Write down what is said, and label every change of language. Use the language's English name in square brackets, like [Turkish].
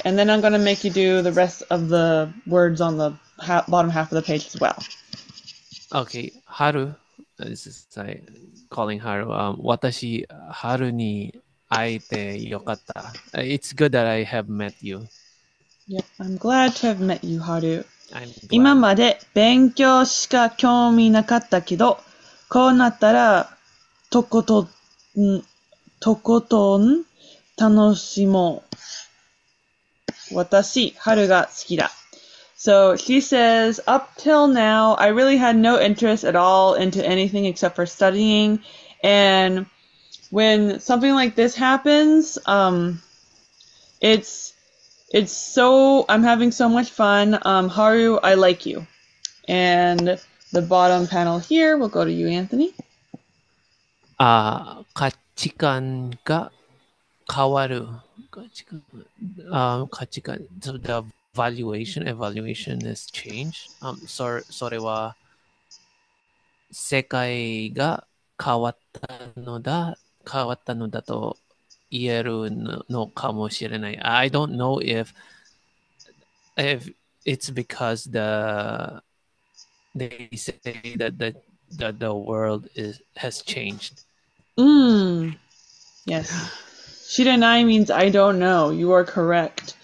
[English] And then I'm going to make you do the rest of the words on the bottom half of the page as well. Okay, Haru. This is like calling Haru. [Japanese] Watashi Haru ni aete yokatta. [English] It's good that I have met you. Yep, I'm glad to have met you, Haru. I'm [Japanese] 今まで勉強しか興味なかったけど、こうなったらとことん楽しもう。私、春が好きだ。 [English] So she says, up till now, I really had no interest at all into anything except for studying. And when something like this happens, it's so, I'm having so much fun. Haru, I like you. And the bottom panel here will go to you, Anthony. [Japanese] 価値観が変わる。 [English] 価値観、so the evaluation has changed. [Japanese] それは世界が変わったのだと言えるのかもしれない。 [English] I don't know if it's because they say that the world has changed. Yes. Shirenai means I don't know. You are correct.